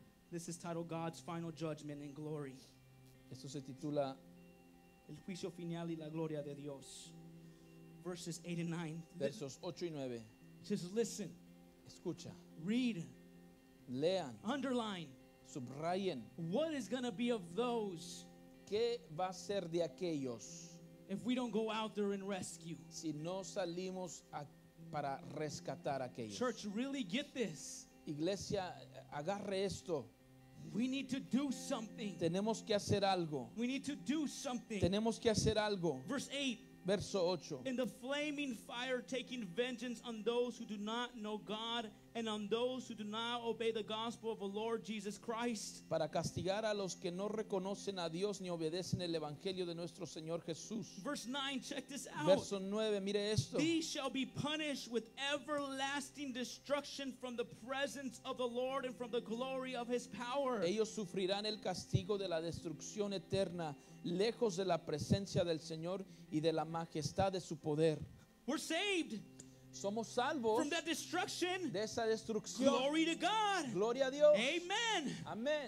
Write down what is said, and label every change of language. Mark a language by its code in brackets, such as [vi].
[en] This is titled God's Final Judgment and Glory. [es] Esto se titula El Juicio Final y la Gloria de Dios. [en] Verses 8 and 9. [es] Versos 8 y 9. [en] Just listen. [es] Escucha. [en] Read. [es] Lean. [en] Underline. [es] Subrayen. [en] What is going to be of those? [es] ¿Qué va a ser de aquellos? [en] If we don't go out there and rescue. [es] Si no salimos para rescatar a aquellos. [en] Church, really get this. [es] Iglesia, agarre esto. [en] We need to do something. [es] Tenemos que hacer algo. [en] We need to do something. [es] Tenemos que hacer algo. [en] Verse 8. [es] Verso 8. [en] In the flaming fire taking vengeance on those who do not know God and on those who do not obey the gospel of the Lord Jesus Christ. [es] Para castigar a los que no reconocen a Dios ni obedecen el evangelio de nuestro Señor Jesús. [en] Verse 9, check this out. [es] Verso 9, mire esto. [en] These shall be punished with everlasting destruction from the presence of the Lord and from the glory of his power. [es] Ellos sufrirán el castigo de la destrucción eterna lejos de la presencia del Señor y de la majestad de su poder. [en] We're saved. [es] Somos salvos [en] from that destruction. [es] De esa destrucción. [en] Glory to God. [es] Gloria a Dios. [en] Amen. [es] Amen.